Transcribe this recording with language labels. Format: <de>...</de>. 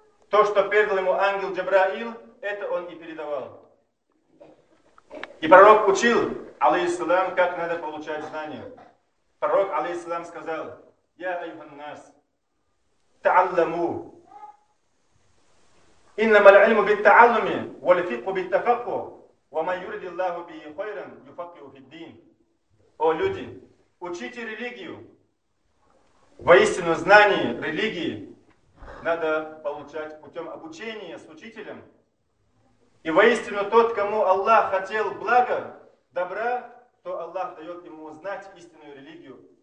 <ru>То, что передал ему ангел Джабраил, это он и передавал. И пророк учил, алейхиссалам, как надо получать знания. Пророк, алейхиссалам, сказал, «Я айхан нас, та'алламу».</ru> <ar>إنما العلم بالتعلم والفقه بالتفقه وما يريد الله به خيرا يفقهه في الدين.</ar> <ru>О, люди, учите религию. Воистину, знание религии надо получать путем обучения с учителем. И воистину, тот, кому Аллах хотел блага, добра, то Аллах дает ему знать истинную религию.</ru>